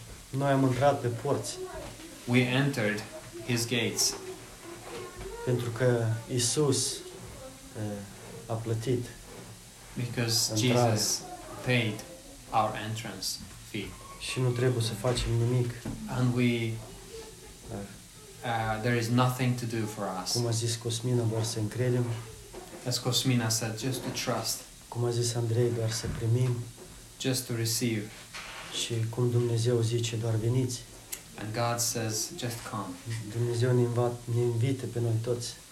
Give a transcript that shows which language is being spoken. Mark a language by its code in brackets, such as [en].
[ro] Noi am intrat pe porți. [en] We entered His gates. [ro] Pentru că Isus a plătit. [en] Because Jesus paid our entrance fee. [ro] Și nu trebuie să facem nimic. [en] And we there is nothing to do for us. [ro] Cum a zis Cosmina, doar să încredem. [en] As Cosmina said, just to trust. [ro] Cum a zis Andrei, doar să primim. [en] Just to receive. [ro] Și cum Dumnezeu zice, doar veniți. [en] And God says, just come. [ro] Dumnezeu ne invită pe noi toți.